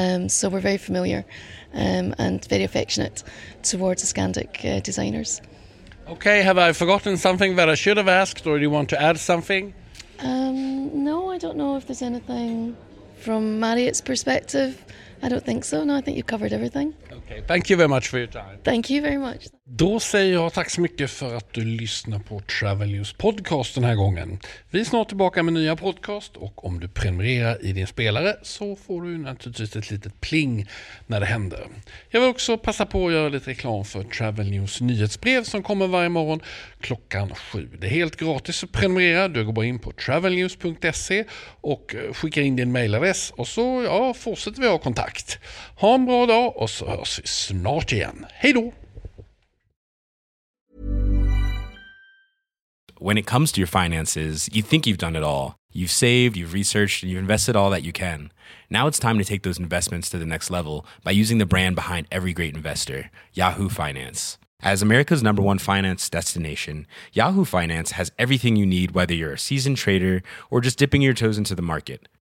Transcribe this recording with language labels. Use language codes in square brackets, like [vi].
[en] So we're very familiar and very affectionate towards the Scandic designers. Okay, have I forgotten something that I should have asked, or do you want to add something? No, I don't know if there's anything from Marriott's perspective. I don't think so. No, I think you've covered everything. Okay, thank you very much for your time. Thank you very much. [sv] Då säger jag tack så mycket för att du lyssnar på Travel News podcast den här gången. Vi är snart tillbaka med nya podcast, och om du prenumererar i din spelare så får du naturligtvis ett litet pling när det händer. Jag vill också passa på att göra lite reklam för Travel News nyhetsbrev som kommer varje morgon klockan 7. Det är helt gratis att prenumerera. Du går bara in på travelnews.se och skickar in din mailadress, och så fortsätter vi ha kontakt. Ha en bra dag, och så hörs vi snart igen. Hej då! [en] When it comes to your finances, you think you've done it all. You've saved, you've researched, and you've invested all that you can. Now it's time to take those investments to the next level by using the brand behind every great investor, Yahoo Finance. As America's number one finance destination, Yahoo Finance has everything you need, whether you're a seasoned trader or just dipping your toes into the market.